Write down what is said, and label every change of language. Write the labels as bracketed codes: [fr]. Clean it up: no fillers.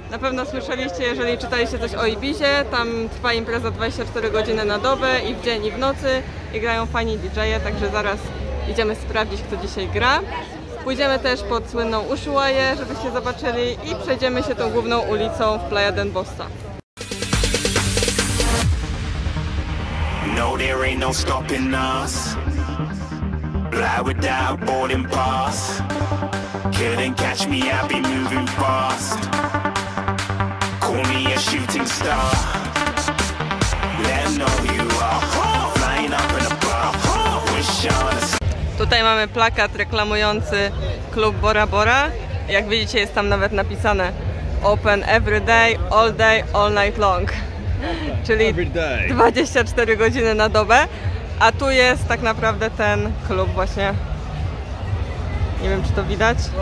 [pl] Na pewno słyszeliście, jeżeli czytaliście coś o Ibizie, tam trwa impreza 24 godziny na dobę i w dzień i w nocy. I grają fajni DJ-e, także zaraz idziemy sprawdzić, kto dzisiaj gra. Pójdziemy też pod słynną Ushuaię, żebyście zobaczyli i przejdziemy się tą główną ulicą w Playa del Bossa. [en] No, there ain't no stopping us. Fly without boarding pass. Couldn't catch me, I'll be moving fast. Call me a shooting star. Let them know you are flying up in a bar. Wish on a... [pl] Tutaj mamy plakat reklamujący klub Bora Bora. Jak widzicie, jest tam nawet napisane [en] Open every day, all night long. [pl] Czyli 24 godziny na dobę. A tu jest tak naprawdę ten klub właśnie. Nie wiem, czy to widać.